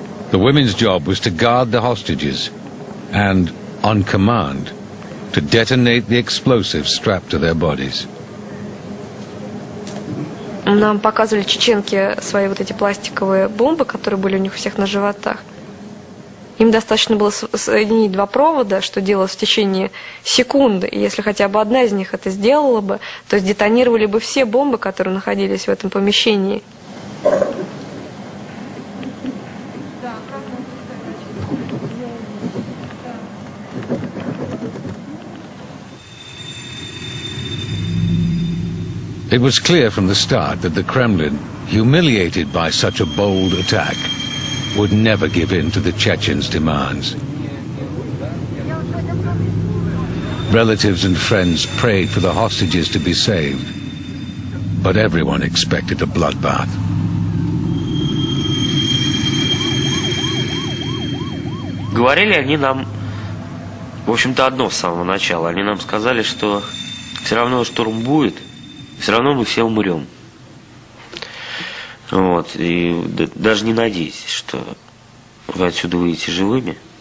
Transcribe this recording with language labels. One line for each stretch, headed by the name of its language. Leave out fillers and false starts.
English: The women's job was to guard the hostages and, on command, to detonate the explosives strapped to their bodies.
Russian: Нам показывали чеченки свои вот эти пластиковые бомбы, которые были у них всех на животах. Им достаточно было соединить два провода, что делалось в течение секунды. И если хотя бы одна из них это сделала бы, то сдетонировали бы все бомбы, которые находились в этом помещении.
English: It was clear from the start that the Kremlin, humiliated by such a bold attack, would never give in to the Chechens' demands. Relatives and friends prayed for the hostages to be saved, but everyone expected a bloodbath.
Russian: Говорили они нам, в общем-то, одно с самого начала. Они нам сказали, что все равно штурм будет, все равно мы все умрем. Вот, и даже не надейтесь, что вы отсюда выйдете живыми.